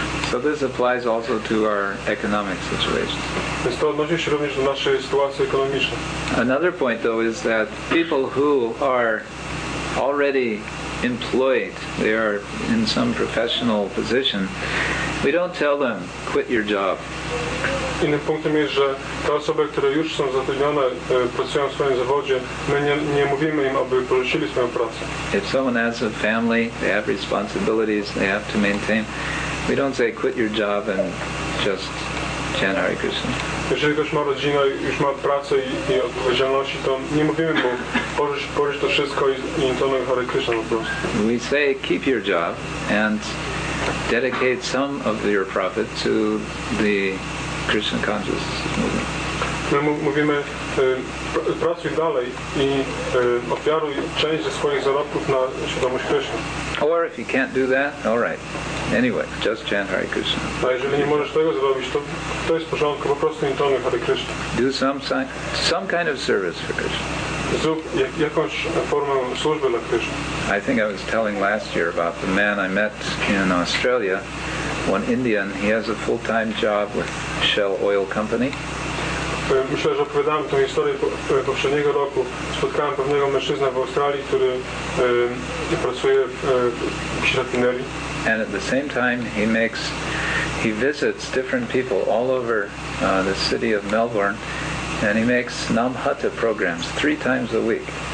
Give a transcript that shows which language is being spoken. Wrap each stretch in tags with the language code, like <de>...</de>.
<en>So this applies also to our economic situation.</en> <pl>Więc to odnosi się również do naszej sytuacji ekonomicznej.</pl> <en>Another point though is that people who are already employed, they are in some professional position, we don't tell them, quit your job.</en> <pl>Innym punktem jest, że te osoby, które już są zatrudnione, pracują w swoim zawodzie, my nie mówimy im, aby porzucili swoją pracę.</pl> <en>If someone has a family, they have responsibilities they have to maintain, we don't say, quit your job and just chant Hare Krishna.</en> <pl>Jeżeli ktoś ma rodzinę, już ma pracę i odpowiedzialności, to nie mówimy, bo porzuć to wszystko i intonuj Hare Krishna po prostu.</pl> <en>We say, keep your job and dedicate some of your profit to the Krishna consciousness movement.</en> <pl>My mówimy, pracuj dalej i ofiaruj część ze swoich zarobków na świadomość Krishna.</pl> <en>Or if you can't do that, all right. Anyway, just chant Hare Krishna.</en> <pl>A jeżeli nie możesz tego zrobić, to jest w porządku, po prostu intonuj Hare Krishna.</pl> <en>Do some kind of service for Krishna.</en> <pl>Zrób jakąś formę służby dla Krishna.</pl> <en>I think I was telling last year about the man I met in Australia, one Indian. He has a full-time job with Shell Oil Company.</en> <pl>Myślę, że opowiadałem tę historię poprzedniego roku. Spotkałem pewnego mężczyznę w Australii, który pracuje w rafinerii.</pl> <en>And at the same time he visits different people all over the city of Melbourne, and he makes Namhata programs 3 times a week.</en>